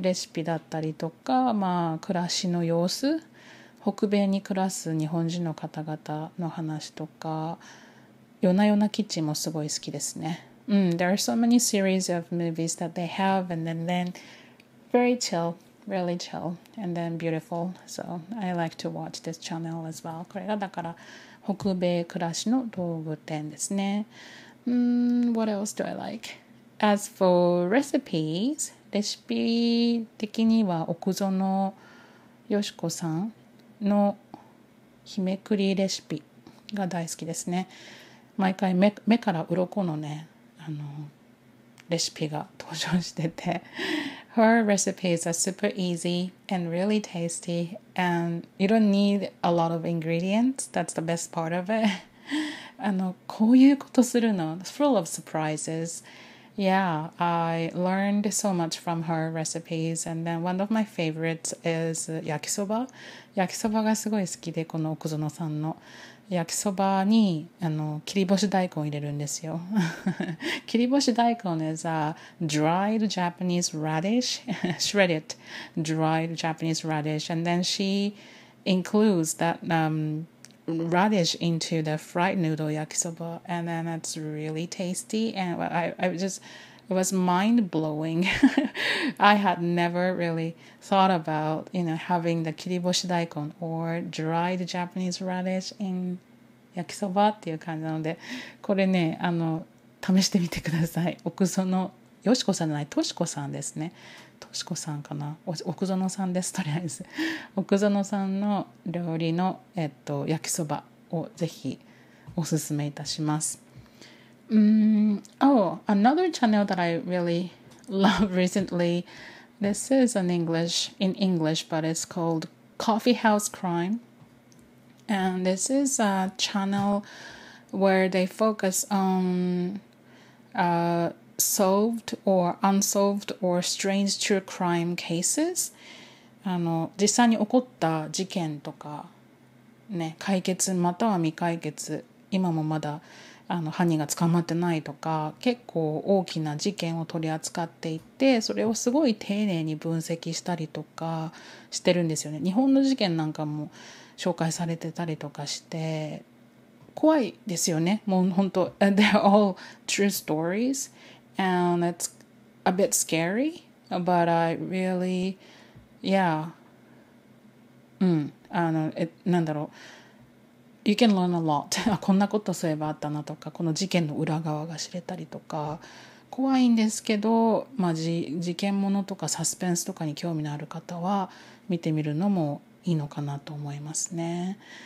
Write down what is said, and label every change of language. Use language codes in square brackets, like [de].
[ja] レシピだったりとか、暮らしの様子、北米に暮らす日本人の方々の話とか、夜な夜なキッチンもすごい好きですね。 [en] There are so many series of movies that they have, and then very chill. Really chill and then beautiful. So I like to watch this channel as well. [ja] これがだから北米暮らしの道具店ですね。 [en] What else do I like? As for recipes, [ja] レシピ的には奥園よしこさんの日めくりレシピが大好きですね。毎回 目から鱗のね、レシピが登場してて。 [en] Her recipes are super easy and really tasty, and you don't need a lot of ingredients. That's the best part of it. [ja] こういうことするの? [en] Full of surprises. Yeah, I learned so much from her recipes, and then one of my favorites is yakisoba. [ja] Yakisoba がすごい好きで、この奥園さんの。焼きそばに切り干し大根を入れるんですよ。 [en] 切り干し大根 is a dried Japanese radish, shredded dried Japanese radish, and then she includes that radish into the fried noodle yakisoba, and then it's really tasty, and it was mind-blowing. I had never really thought about, having the 切り干し大根 or dried Japanese radish in... [ja] 焼きそばっていう感じなので、これね、試してみてください。奥園よしこさんじゃない、としこさんですね。としこさんかな、奥園さんです。とりあえず奥園さんの料理の、焼きそばをぜひおすすめいたします。 [en] Oh, another channel that I really love recently, this is in English, but it's called Coffee House CrimeAnd this is a channel where they focus on solved or unsolved or strange true crime cases. [ja] 実際に起こった事件とかね、解決または未解決、今もまだ犯人が捕まってないとか、結構大きな事件を取り扱っていて、それをすごい丁寧に分析したりとかしてるんですよね。日本の事件なんかも紹介されてたりとかして、怖いですよね。もう本当、 [en] they're all true stories, and it's a bit scary, but I really, yeah, [ja] なんだろう。 [en] You can learn a lot. [ja] こんなことすればあったなとか、この事件の裏側が知れたりとか、怖いんですけど、まあ、事件ものとかサスペンスとかに興味のある方は見てみるのもいいのかなと思いますね。